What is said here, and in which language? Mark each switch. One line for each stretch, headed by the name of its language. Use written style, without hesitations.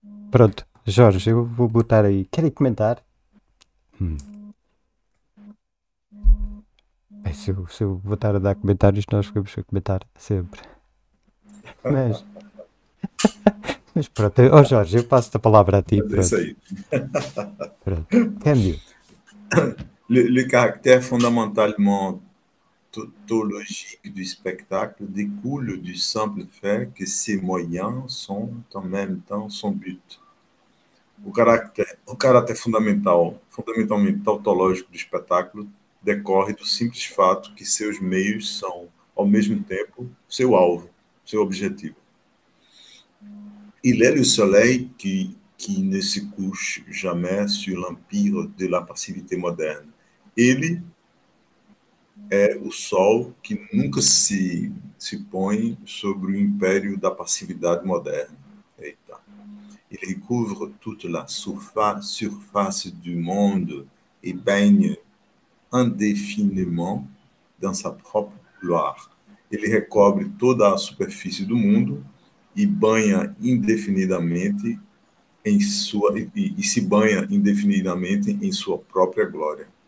Portuguese: Pronto, Jorge, eu vou botar aí. Querem comentar? Se eu voltar a dar comentários, nós ficamos a comentar sempre. Mas pronto. Oh, Jorge, eu passo a palavra a ti. Mas é Pronto. isso aí. Pronto. Câmbio.
French: Le caractère fondamentalement tautologique du spectacle découle du simple fait que ses moyens sont en même temps son but.
Portuguese: O
French: caractère fondamentalement tautologique du spectacle
Portuguese: decorre do simples fato que seus meios são, ao mesmo tempo, seu alvo, seu objetivo.
French: Il est le soleil qui ne se couche jamais sur l'empire de la passivité moderne.
Portuguese: Ele é o sol que nunca se põe sobre o império da passividade moderna. Eita.
French: Il recouvre toute la surface du monde et baigne indéfiniment dans sa propre gloire.
Portuguese: Ele recobre toda a superfície do mundo e banha indefinidamente em sua e se banha indefinidamente em sua própria glória.